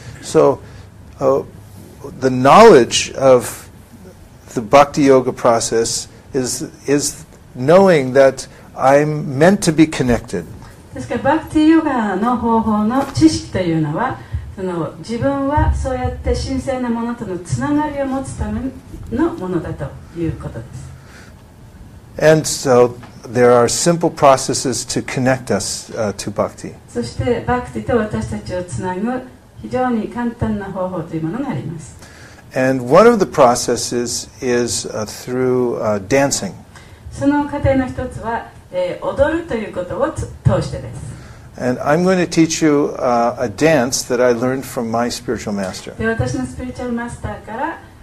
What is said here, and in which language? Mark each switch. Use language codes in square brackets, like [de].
[en] So the knowledge of the bhakti yoga process is knowing that I'm meant to be connected. [ja] ですから、バクティヨガの方法の知識というのは、その自分はそうやって神聖なものとのつながりを持つためのものだということです。 [en] And so there are simple processes to connect us to bhakti. [ja] そして、バクティと私たちをつなぐ非常に簡単な方法というものがあります。 [en] And one of the processes is through dancing. [ja] その過程の一つは、踊るということを通してです。 [en] And I'm going to teach you a dance that I learned from my spiritual master. [ja] で、私のスピリチュアルマスターから、